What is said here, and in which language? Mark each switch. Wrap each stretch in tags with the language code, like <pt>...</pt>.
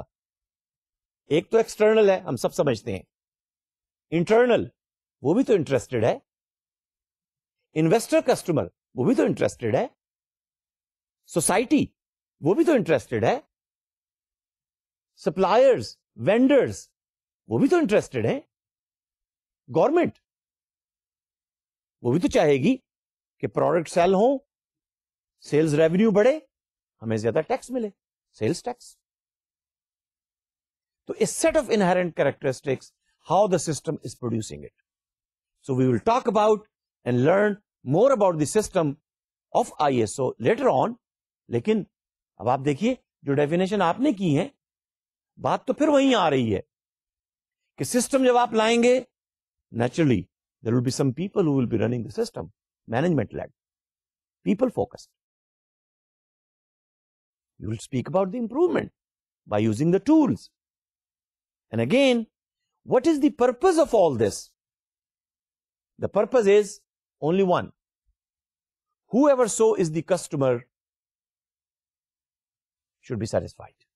<ur>ایک تو ایکسٹرنل ہے, ہم سب سمجھتے ہیں, انٹرنل وہ بھی تو انٹرسٹڈ ہے, انویسٹر کسٹمر وہ بھی تو انٹرسٹڈ ہے, سوسائٹی وہ بھی تو انٹرسٹڈ ہے, سپلائرز وینڈرز وہ بھی تو انٹرسٹڈ ہیں, گورنمنٹ وہ بھی تو چاہے گی کہ پروڈکٹ سیل ہوں, سیلز ریونیو بڑھے, ہمیں زیادہ ٹیکس ملے, سیلز ٹیکس. تو اس</ur> <en>Set of inherent characteristics how the system is producing it. So we will talk about and learn more about the system of I S O later on.</en> <ur>لیکن اب آپ دیکھیے جو ڈیفینیشن آپ نے کی ہے, بات تو پھر وہیں آ رہی ہے کہ سسٹم جب آپ لائیں گے,</ur> <en>Naturally there will be some people who will be running the system, management lead, people focused. You will speak about the improvement by using the tools. And again, what is the purpose of all this? The purpose is only one, who ever so is the customer should be satisfied.</en>